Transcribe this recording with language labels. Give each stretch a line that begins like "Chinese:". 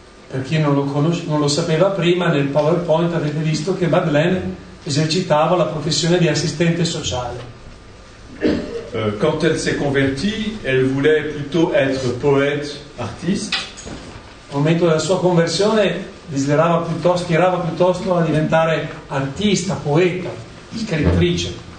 Italian: Per chi non lo sapeva prima, nel PowerPoint avete visto che Madeleine esercitava la professione di assistente sociale.
French: Quand elle s'est convertie, elle voulait plutôt être poète, artiste.
Italian: Al momento della sua conversione aspirava piuttosto a diventare artista, poeta, scrittrice.